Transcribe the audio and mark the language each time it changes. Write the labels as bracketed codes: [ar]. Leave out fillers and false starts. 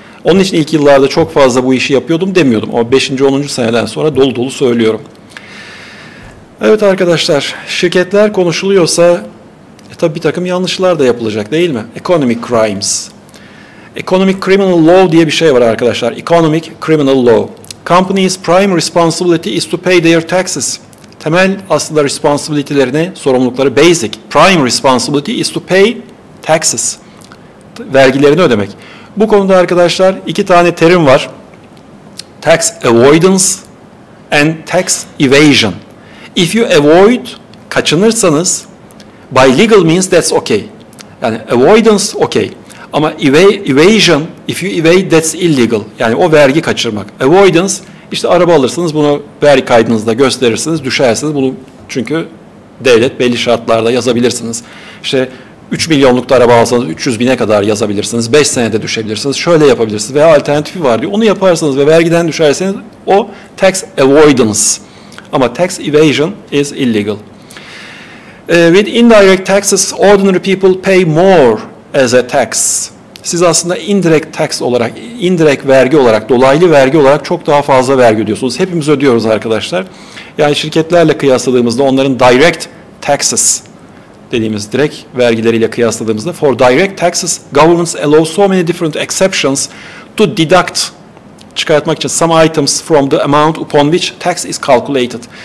[tr] Onun için ilk yıllarda çok fazla bu işi yapıyordum demiyordum. Ama 5. 10. seneden sonra dolu dolu söylüyorum. Evet arkadaşlar, şirketler konuşuluyorsa tabii bir takım yanlışlar da yapılacak değil mi? Economic crimes. Economic criminal law diye bir şey var arkadaşlar. [en] Economic criminal law. Company's prime responsibility is to pay their taxes. [tr] Temel aslında responsibility'lerini, sorumlulukları basic. [en] Prime responsibility is to pay taxes. [tr] Vergilerini ödemek. Bu konuda arkadaşlar iki tane terim var. Tax avoidance and tax evasion. [en] If you avoid, kaçınırsanız by legal means that's okay. Yani avoidance okay. Ama evasion, if you evade that's illegal. [tr] Yani o vergi kaçırmak. Avoidance, işte araba alırsınız bunu vergi kaydınızda gösterirsiniz, düşersiniz. Bunu çünkü devlet belli şartlarda yazabilirsiniz. İşte 3 milyonluk da araba alsanız 300 bine kadar yazabilirsiniz. 5 senede düşebilirsiniz. Şöyle yapabilirsiniz veya alternatifi var diyor. Onu yaparsanız ve vergiden düşerseniz o tax avoidance. [en] Ama tax evasion is illegal. With indirect taxes, ordinary people pay more as a tax. [tr] Siz aslında indirect tax olarak, indirect vergi olarak, dolaylı vergi olarak çok daha fazla vergi ödüyorsunuz. Hepimiz ödüyoruz arkadaşlar. Yani şirketlerle kıyasladığımızda onların direct taxes dediğimiz direkt vergileriyle kıyasladığımızda [en] for direct taxes governments allow so many different exceptions to deduct çıkartmak için some items from the amount upon which tax is calculated.